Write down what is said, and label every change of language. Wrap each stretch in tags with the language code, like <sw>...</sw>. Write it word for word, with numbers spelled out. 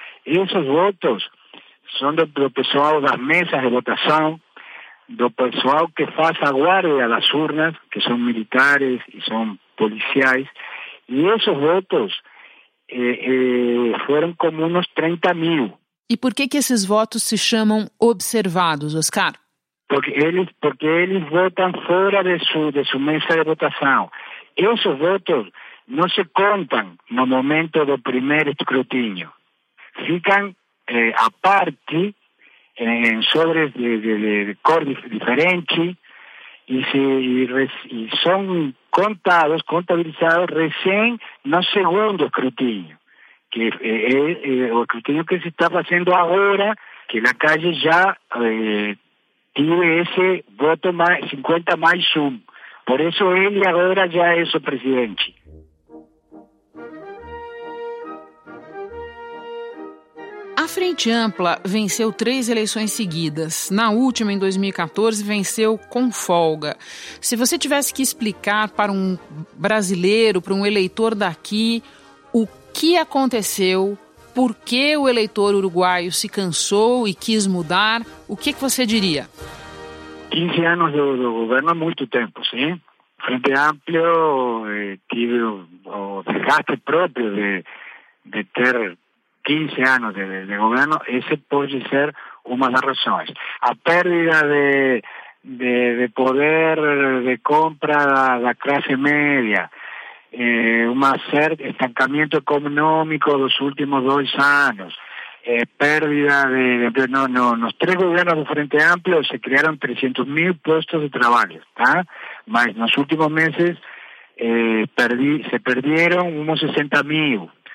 <pt>Esses votos são do, do pessoal das mesas de votação, do pessoal que faz a guarda das urnas, que são militares e são policiais, e esses votos eh, eh, foram como uns trinta mil. E por que que esses votos se chamam observados, Oscar? Porque eles, porque eles votam fora</pt> <es>de su, de su</es> <pt>mesa de votação. Esses votos não se contam no momento do primeiro escrutínio. Ficam eh, à parte</pt> <es>en sobres de, de, de cor diferente y, se, y, res, y son contados, contabilizados recién no segundo escrutinio, que es eh, eh, el escrutinio que se está haciendo ahora, que Lacalle ya eh, tiene ese voto más, cincuenta más uno. Por eso él ahora ya es el presidente.</es> <pt>A Frente Ampla venceu três eleições seguidas. Na última, em dois mil e quatorze, venceu com folga. Se você tivesse que explicar para um brasileiro, para um eleitor daqui, o que aconteceu, por que o eleitor uruguaio se cansou e quis mudar, o que que você diria? quinze anos do, do governo é muito tempo, sim. Frente Ampla eh, tive o, o desgaste próprio de, de ter quinze anos de, de gobierno,</pt> <es>ese puede ser una de las razones. La pérdida de, de, de poder de compra de la clase media,</es> <pt>eh, um certo estancamento econômico dos últimos dois anos, eh,</pt> <es>pérdida de, de no,</es> <pt>no, nos três governos do Frente Amplio se criaram trezentos mil postos de trabalho, tá? Mas nos últimos meses eh, perdi, se perderam uns sessenta mil.</pt>